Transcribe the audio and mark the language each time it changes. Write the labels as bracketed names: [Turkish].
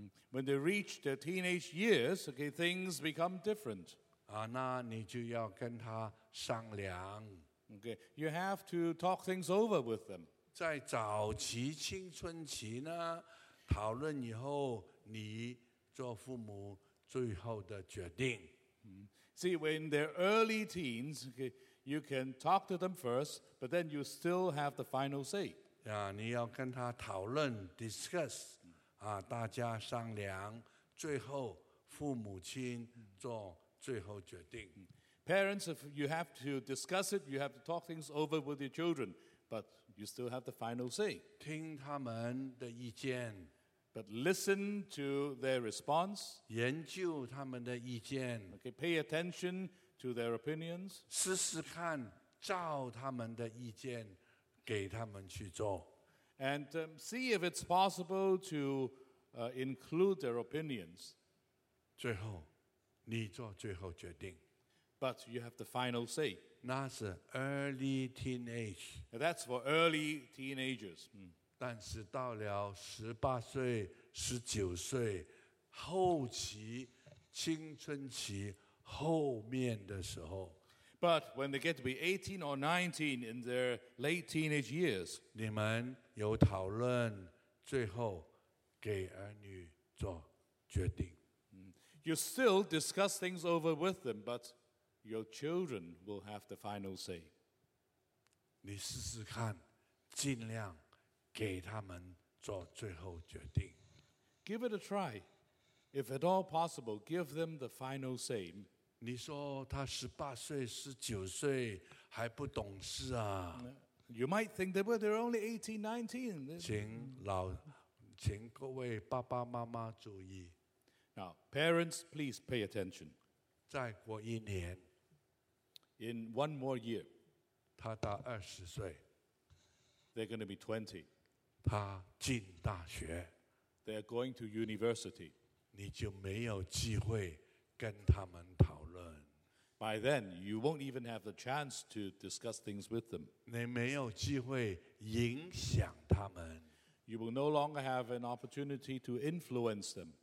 [English] When they reach their teenage years, okay, things become different. [Chinese] 那你就要跟他商量。 [English] Okay, you have to talk things over with them. [Chinese] 在早期青春期呢，讨论以后，你做父母最后的决定。 [English] See, when they're early teens, you can talk to them first, but then you still have the final say. [Chinese] 你要跟他讨论 ， [English] discuss， [Chinese] 大家商量，最后父母亲做最后决定。 [English] Parents, if you have to discuss it, you have to talk things over with your children. But you still have the final say. [Chinese] 听他们的意见。 [English] But listen to their response. [Chinese] 研究他们的意见。 [English] Okay, pay attention to their opinions. [Chinese] 试试看照他们的意见给他们去做。 [English] And see if it's possible to include their opinions. [Chinese] 最后，你做最后决定。 [English] But you have the final say. [Chinese] 那是 [English] early teenage. That's for early teenagers. [Chinese] 但是到了十八岁、十九岁后期青春期后面的时候 [English] ，But when they get to be 18 or 19 in their late teenage years, [Chinese] 你们有讨论最后给儿女做决定。 [English] You still discuss things over with them, but your children will have the final say. [Chinese] 你试试看，尽量给他们做最后决定。 [English] Give it a try. If at all possible, give them the final say. [Chinese] 你说他十八岁、十九岁还不懂事啊？ [English] You might think that, well, they're only 18, 19. [Chinese] 请各位爸爸妈妈注意。 [English] Now, parents, please pay attention. [Chinese] 再过一年。 [English] In one more year. [Chinese] 他到二十岁。 [English] They're going to be 20. [Chinese] 他进大学。 [English] They're going to university. [Chinese] 你就没有机会跟他们讨论。 [English] By then, you won't even have the chance to discuss things with them. [Chinese] 你没有机会影响他们。 [English] You will no longer have an opportunity to influence them.